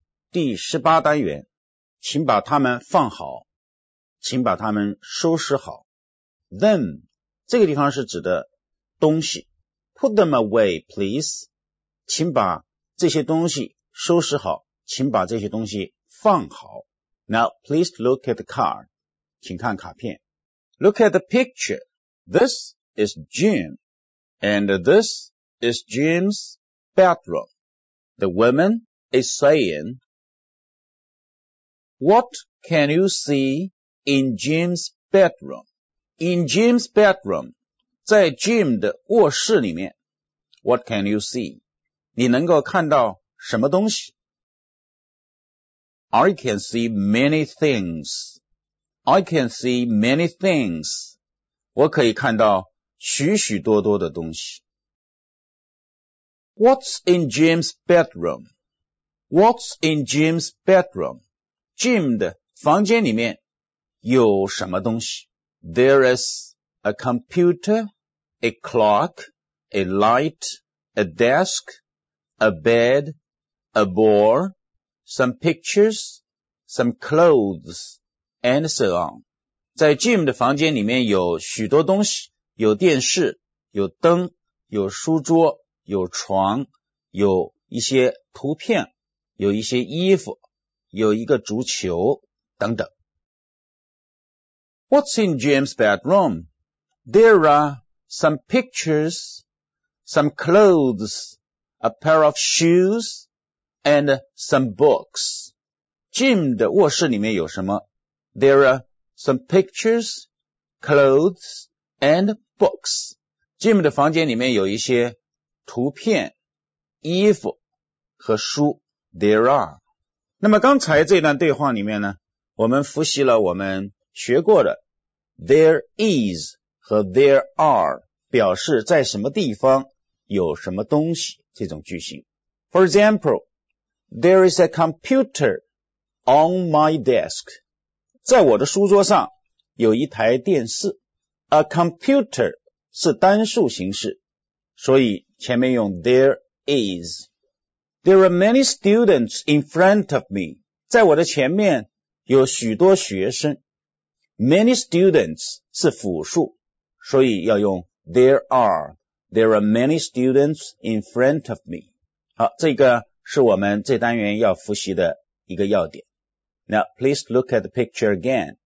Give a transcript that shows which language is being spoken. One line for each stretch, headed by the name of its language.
Chinese: 第十八单元，请把它们放好，请把它们收拾好。 Them, 这个地方是指的东西。
English: Put them away, please.
Chinese: 请把这些东西收拾好，请把这些东西放好。
English: Now, please look at the card.
Chinese: 请看卡片。
English: Look at the picture. This is Jim, and this is Jim's bedroom. The woman is saying, What can you see in Jim's bedroom? In Jim's bedroom,
Chinese: 在 Jim 的卧室里面。
English: What can you see?
Chinese: 你能够看到什么东西？
English: I can see many things. I can see many things.
Chinese: 我可以看到许许多多的东西。
English: What's in Jim's bedroom? What's in Jim's bedroom?
Chinese: Jim 的房间里面有什么东西？
English: There is a computer, a clock, a light, a desk, a bed, a board, some pictures, some clothes, and so on.
Chinese: 在 Jim 的房间里面有许多东西，有电视，有灯，有书桌，有床，有一些图片，有一些衣服，有一个足球等等。
English: What's in Jim's bedroom? There are some pictures, some clothes, a pair of shoes, and some books.
Chinese: Jim 的卧室里面有什么？
English: There are some pictures, clothes, and books.
Chinese: Jim 的房间里面有一些图片、衣服和书。
English: There are.
Chinese: 那么刚才这段对话里面呢，我们复习了我们学过的
English: there is 和 there are
Chinese: 表示在什么地方有什么东西这种句型。
English: For example, there is a computer on my desk.
Chinese: 在我的书桌上有一台电视。
English: A computer
Chinese: 是单数形式，所以前面用 there is。
English: There are many students in front of me.
Chinese: 在我的前面有许多学生。
English: Many students
Chinese: 是复数，所以要用 there are.
English: There are many students in front of me.
Chinese: 好，这个是我们这单元要复习的一个要点。
English: Now, please look at the picture again.